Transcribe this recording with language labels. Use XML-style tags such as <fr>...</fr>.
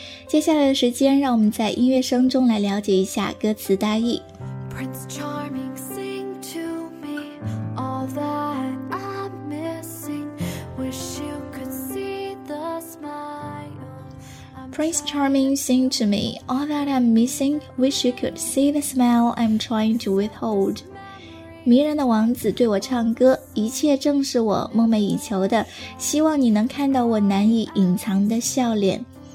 <zh>接下来的时间让我们在音乐声中来了解一下歌词大意。</zh> <en>Prince Charming, sing to me all that I'm missing. Wish you could see the smile. Prince Charming sing to me all that I'm missing, wish you could see the smile I'm trying to withhold.</en> <zh>迷人的王子对我唱歌，一切正是我梦寐以求的，希望你能看到我难以隐藏的笑脸。</zh>